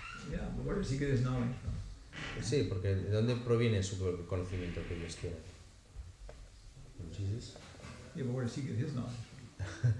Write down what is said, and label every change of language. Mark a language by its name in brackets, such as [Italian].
[English] Yeah, but where does he get his knowledge from? [Spanish] Sí, porque ¿de dónde proviene su conocimiento que ellos tienen? [English] Jesus. Yeah, but where does he get his knowledge from?